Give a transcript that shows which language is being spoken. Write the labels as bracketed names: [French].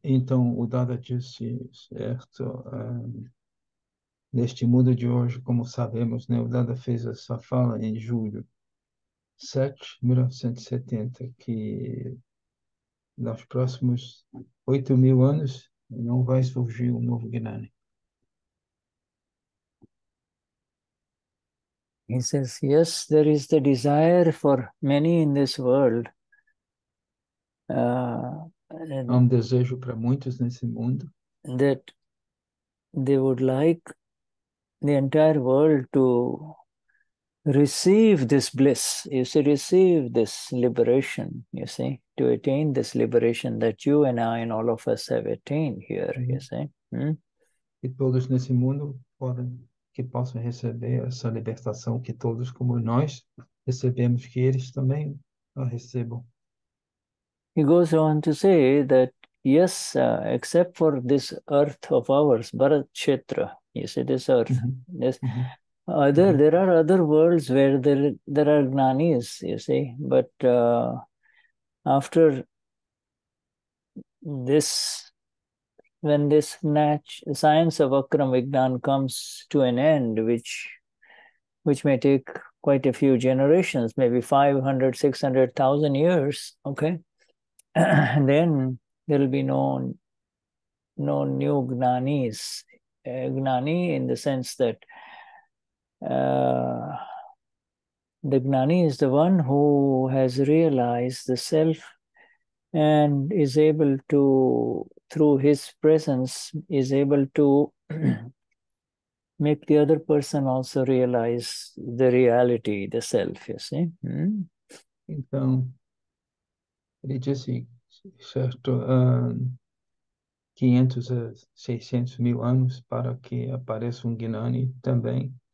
[Portuguese] Então o Dada disse certo, neste mundo de hoje, como sabemos, né, o Dada fez essa fala em julho 7, 1970, que nos próximos 8.000 anos não vai surgir um novo Gnani. [English] He says, yes, there is the desire for many in this world. [Portuguese] Há um desejo para muitos nesse mundo. [English] That they would like the entire world to receive this bliss, you see, receive this liberation, you see, to attain this liberation that you and I and all of us have attained here, you see. [Portuguese] E todos nesse mundo podem que possam receber essa libertação que todos, como nós, recebemos, que eles também a recebam. [English] He goes on to say that, yes, except for this earth of ours, Bharatkshetra, you see this earth, this other, there are other worlds where there are gnanis, you see, but after this, when this natch science of Akram Vignan comes to an end, which may take quite a few generations, maybe 500, 600,000 years, okay. And then there will be no new gnanis. Gnani in the sense that the gnani is the one who has realized the self and is able to, through his presence, is able to make the other person also realize the reality, the self, you see. [Portuguese] Então, ele disse, certo, 500 a 600 mil anos para que apareça um Gnani também.